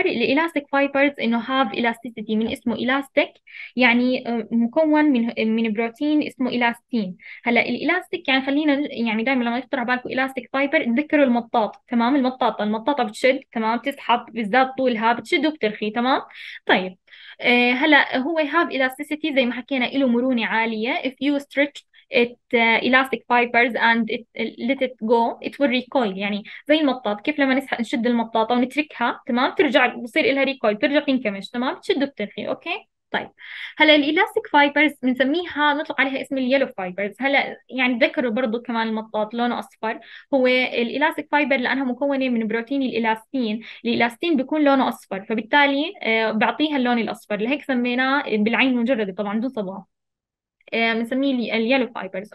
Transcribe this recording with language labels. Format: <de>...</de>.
<ar>الالاستيك فايبرز انه هاف الاستيسيتي، من اسمه الاستيك، يعني مكون من بروتين اسمه الاستين. هلا الالاستيك يعني خلينا يعني دائما لما يخطر على بالكم الاستيك فايبر تذكروا المطاط، تمام، المطاطه، المطاطه بتشد، تمام، بتسحب، بتزداد طولها، بتشد وبترخي، تمام. طيب هلا هو هاف الاستيسيتي زي ما حكينا، له مرونه عاليه،</ar> <en>if you stretch it elastic fibers and it let it go, it will recoil.</en> <ar>يعني زي المطاط، كيف لما نشد المطاطة ونتركها تمام ترجع بصير لها ريكويل، ترجع تنكمش تمام، تشد وتنفي. اوكي طيب، هلا الالاستيك فايبرز بنسميها، نطلق عليها اسم اليلو فايبرز. هلا يعني ذكروا برضو كمان المطاط لونه اصفر، هو الالاستيك فايبر لانها مكونه من بروتين الالاستين، الالاستين بيكون لونه اصفر، فبالتالي بعطيها اللون الاصفر، لهيك سميناه بالعين المجرده طبعا دون صباغ، بنسميه اليلو فايبرز.</ar>